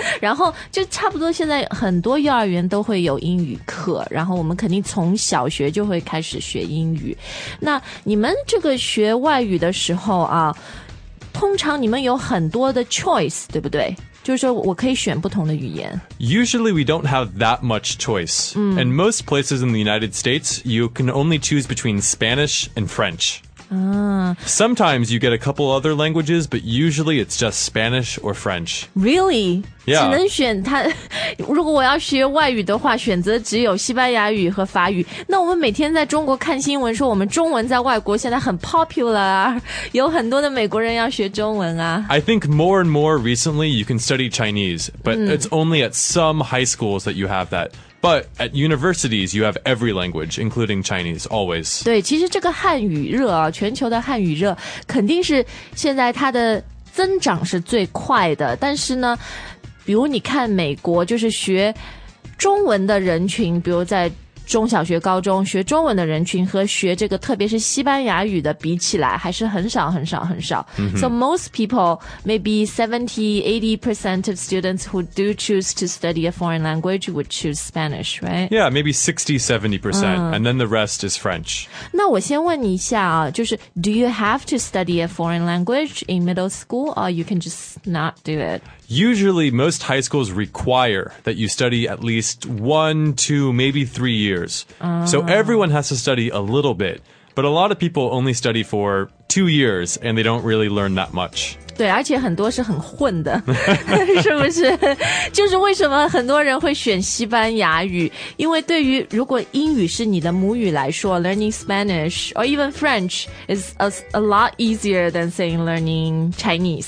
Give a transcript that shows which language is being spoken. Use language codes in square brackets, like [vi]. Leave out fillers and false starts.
[zh] 然后就差不多现在很多幼儿园都会有英语课，然后我们肯定从小学就会开始学英语。那你们这个学外语的时候啊，通常你们有很多的 choice, 对不对？就是说我可以选不同的语言。 [en] Usually we don't have that much choice. And most places in the United States, you can only choose between Spanish and French. Sometimes you get a couple other languages, but usually it's just Spanish or French. Really? Yeah. [zh] 只能选它，如果我要学外语的话，选择只有西班牙语和法语。那我们每天在中国看新闻说我们中文在外国现在很 popular, 有很多的美国人要学中文啊。 [en] I think more and more recently you can study Chinese, but it's only at some high schools that you have that. But at universities, you have every language, including Chinese, always. [zh] 对，其实这个汉语热啊，全球的汉语热，肯定是现在它的增长是最快的。但是呢，比如你看美国，就是学中文的人群，比如在中小学、高中学中文的人群和学这个特别是西班牙语的比起来还是很少很少很少、 mm-hmm. [en] So most people, maybe 70-80% of students who do choose to study a foreign language would choose Spanish, right? Yeah, maybe 60-70%、and then the rest is French. [zh] 那我先问你一下啊，就是 [en] Do you have to study a foreign language in middle school or you can just not do it? Usually most high schools require that you study at least 1, 2, maybe 3 years. So everyone has to study a little bit, but a lot of people only study for 2 years and they don't really learn that much. [zh] 对，而且很多是很混的，是不是？就是为什么很多人会选西班牙语？因为对于如果英语是你的母语来说 [en] ，learning Spanish or even French is a lot easier than saying learning Chinese.